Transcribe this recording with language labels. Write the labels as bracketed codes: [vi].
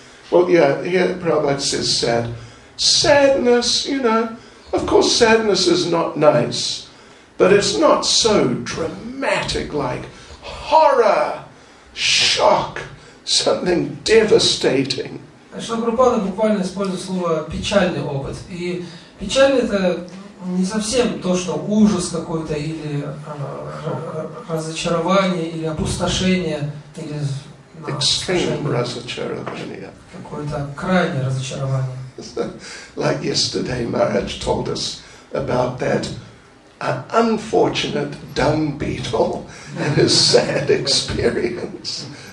[en] Well, yeah, here Prabhupada says sad. Sadness, you know, of course sadness is not nice, but it's not so dramatic like horror, shock, something devastating. [ru] Шрила Прабхупада буквально использует слово «печальный опыт». И печальный – это не совсем то, что ужас какой-то, или разочарование, или опустошение, или разочарование. Какое-то крайнее разочарование. [en] Like yesterday Maharaj told us about that unfortunate dung beetle and his sad experience.